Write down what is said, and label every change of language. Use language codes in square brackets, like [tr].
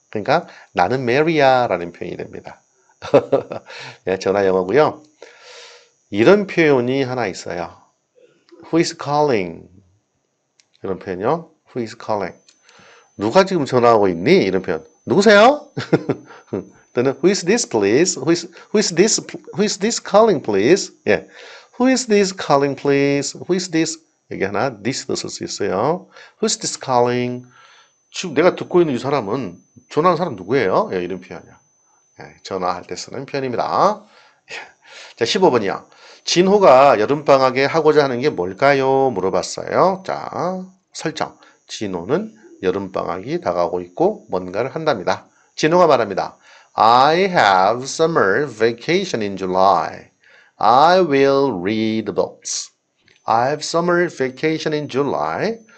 [ko] 그러니까 나는 메리야라는 표현이 됩니다. 네, 전화 영어고요. 이런 표현이 하나 있어요. [en] Who is calling? [ko] 이런 표현이요. [en] Who is calling? [ko] 누가 지금 전화하고 있니? 이런 표현. 누구세요? 또는 [en] Who is this, please? Who is this calling, please? [ko] 예. [en] Who is this calling, please? Who is this? [ko] 이게 하나, this도 쓸수 있어요. [en] Who's this calling? [ko] 지금 내가 듣고 있는 이 사람은, 전화하는 사람 누구예요? 예, 이런 표현이야. 예, 전화할 때 쓰는 표현입니다. 예. 자, 15번이요. 진호가 여름방학에 하고자 하는 게 뭘까요? 물어봤어요. 자, 설정. 진호는 여름방학이 다가오고 있고, 뭔가를 한답니다. 진호가 말합니다. [en] I have summer vacation in July. I will read books. I have summer vacation in July.